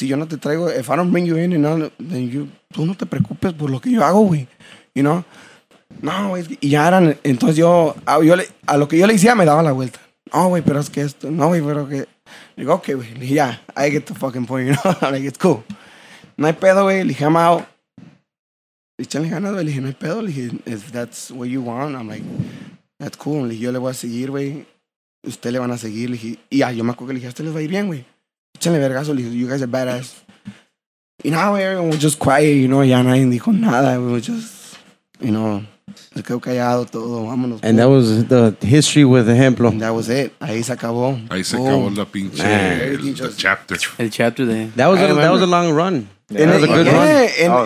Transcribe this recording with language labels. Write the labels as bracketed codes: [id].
[es] si yo no te traigo, [en] if I don't bring you in, and then you, [es] tú no te preocupes por lo que yo hago, güey, you know, no, güey, y ya eran, entonces yo le, a lo que yo le decía me daba la vuelta. [en] Oh, wait, [es] pero es que esto... No, wait, pero que... Digo, okay, güey. [en] Yeah, I get the fucking point, you know? I'm like, it's cool. [es] No hay pedo, güey. Le dije, [en] I'm out. [es] Le eché ganas, güey. Le dije, no hay pedo. Le dije, [en] if that's what you want, I'm like, that's cool. [es] Le dije, yo le voy a seguir, güey. Usted le van a seguir. Le dije, yeah, yo me acuerdo que le dije, a usted les va a ir bien, güey. Échenle vergazo. Le dije, [en] you guys are badass. [es] Y nada, güey. [en] We were just quiet, you know? [es] Ya nadie dijo nada. [en] We were just, you know... [es] Se quedó callado todo, vámonos. [en] And that was the history with the ejemplo. And that was it. [es] Ahí se acabó. Ahí se acabó la pinche chapter. El chapter de. [en] That was a long run. Yeah. That was a good run.